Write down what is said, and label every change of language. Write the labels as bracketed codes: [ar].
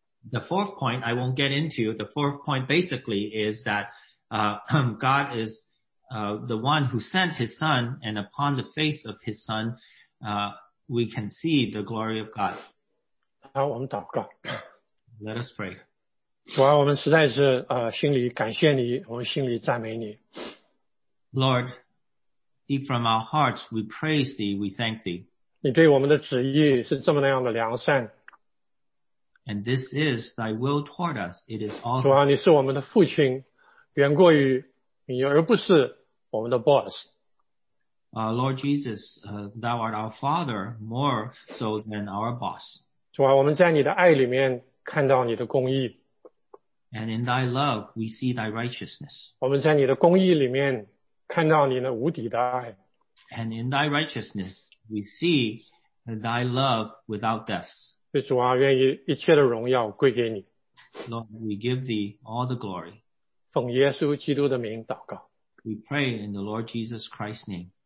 [en] The fourth point I won't get into. The fourth point basically is that God is the one who sent his son, and upon the face of his son, we can see the glory of God. [zh] 好，我们祷告。 [en] Let us pray. [zh] 主啊，我们实在是心里感谢你，我们心里赞美你。 [en] Lord, deep from our hearts, we praise thee, we thank thee. [zh] 你对我们的旨意是这么那样的良善。 [en] And this is thy will toward us. It is all. [zh] 主啊，你是我们的父亲，远过于你，而不是我们的 boss。 [en] Lord Jesus, thou art our father more so than our boss. [zh] 主啊，我们在你的爱里面看到你的公义。 [en] And in thy love, we see thy righteousness. [zh] 我们在你的公义里面看到你那无底的爱。 [en] And in thy righteousness, we see thy love without depths. [zh] 主啊，愿意一切的荣耀归给你。 [en] Lord, we give thee all the glory. [zh] 奉耶稣基督的名祷告。 [en] We pray in the Lord Jesus Christ's name.